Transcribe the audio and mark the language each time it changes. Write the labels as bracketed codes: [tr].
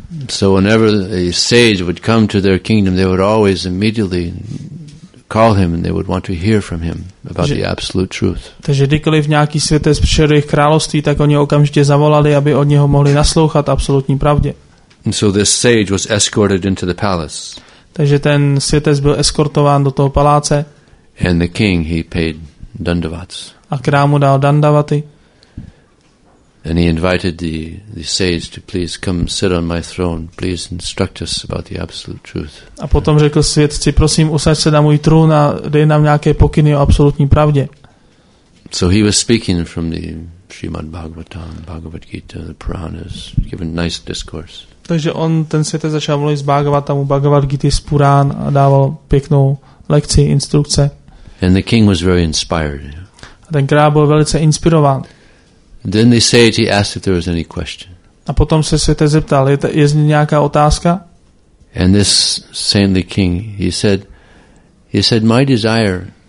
[en] So whenever a sage would come to their kingdom, they would always immediately call him and they would want to hear from him about the absolute truth. [cs] Takže kdykoliv nějaký světec přišel do jejich království, tak oni okamžitě zavolali, aby od něho mohli naslouchat absolutní pravdě. [en] And so this sage was escorted into the palace. [cs] Takže ten světec byl eskortován do toho paláce. [en] And the king, he paid dandavats. [cs] A král mu dal dandavaty. [en] And he invited the sage to please come sit on my throne, please instruct us about the absolute truth. [cs] A potom řekl světci, prosím, usaď se na můj trůn a dej nám nějaké pokyny o absolutní pravdě. [en] So he was speaking from the Srimad Bhagavatam, Bhagavad Gita, the Puranas, giving nice discourse. [cs] Takže on, ten světec, začal mluvit z Bhagavatamu, Bhagavad Gita, z Purán a dával pěknou lekci, instrukce. [en] And the king was very inspired. [cs] A ten král byl velice inspirován. [en] Then the sage asked if there was any question. [cs] A potom se světec zeptal, je z ní nějaká otázka? [en] And this saintly king, he said, my desire